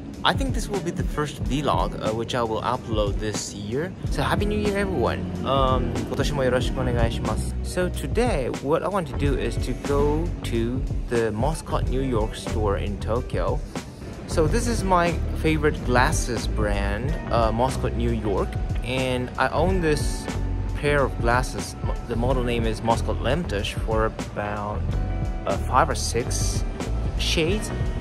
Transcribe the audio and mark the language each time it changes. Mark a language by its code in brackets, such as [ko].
[en] I think this will be the first vlog, which I will upload this year. So happy new year, everyone. [ja] 今年もよろしくお願いします。 [en] So today, what I want to do is to go to the Moscot New York store in Tokyo. So this is my favorite glasses brand, Moscot New York. And I own this pair of glasses. The model name is Moscot Lemtosh for about 5 or 6 shades.